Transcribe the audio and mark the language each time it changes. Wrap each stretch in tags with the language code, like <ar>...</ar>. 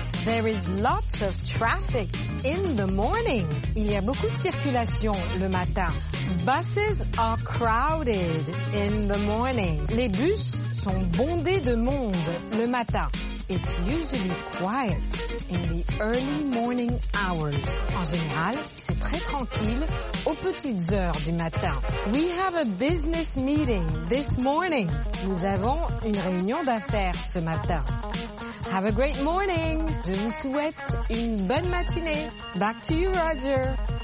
<en>There is lots of traffic in the morning.</en> <fr>Il y a beaucoup de circulation le matin.</fr> <en>Buses are crowded in the morning.</en> <fr>Les bus sont bondés de monde le matin.</fr> <en>It's usually quiet in the early morning hours.</en> <fr>En général, c'est très tranquille aux petites heures du matin.</fr> <en>We have a business meeting this morning.</en> <fr>Nous avons une réunion d'affaires ce matin.</fr> <en>Have a great morning.</en> <fr>Je vous souhaite une bonne matinée.</fr> <en>Back to you, Roger.</en>